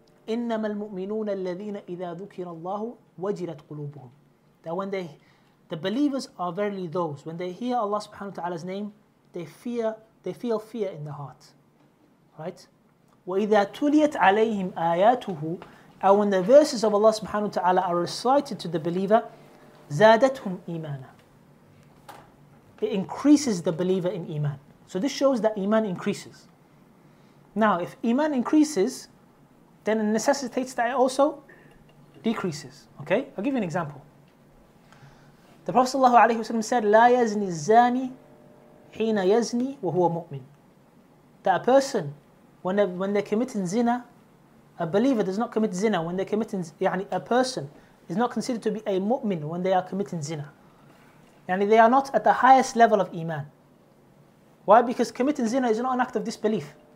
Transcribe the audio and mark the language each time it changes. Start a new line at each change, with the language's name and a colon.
Arabic: إنما المؤمنون الذين إذا ذكر الله وجلت قلوبهم.
English: That when they, the believers are verily those, when they hear Allah subhanahu wa ta'ala's name, they feel fear in the heart. Right?
Arabic: وإذا تليت عليهم آياته,
English: and when the verses of Allah subhanahu wa ta'ala are recited to the believer,
Arabic: زادتهم إيمانا.
English: It increases the believer in iman. So this shows that iman increases. Now, if iman increases, then it necessitates that it also decreases. Okay? I'll give you an example. The Prophet ﷺ said,
Arabic: لا يزني الزاني حين يزني وهو مؤمن.
English: That a person, when they're committing zina, a believer does not commit zina when they're committing, يعني a person is not considered to be a mu'min when they are committing zina. And they are not at the highest level of iman. Why? Because committing zina is not an act of disbelief.